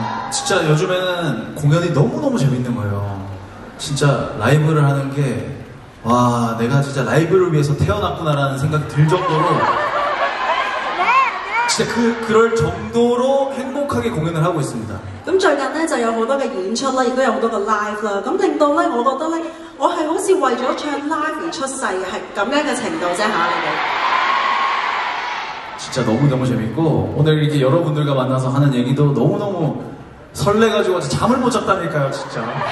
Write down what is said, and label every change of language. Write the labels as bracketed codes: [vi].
[ko] 진짜 요즘에는 공연이 너무너무 재밌는 거예요. 진짜 라이브를 하는 게, 와, 내가 진짜 라이브를 위해서 태어났구나라는 생각이 들 정도로, 진짜 그럴 정도로 행복하게 공연을 하고 있습니다. 그럼 [zh] 最近呢,就有很多的演出啦,也有很多的live啦,令到呢,我觉得呢,我是好像为了唱live而出世,是这样的程度,真的。 [ko] 진짜 너무 너무 재밌고 오늘 이렇게 여러분들과 만나서 하는 얘기도 너무 너무 설레가지고 잠을 못 잤다니까요 진짜.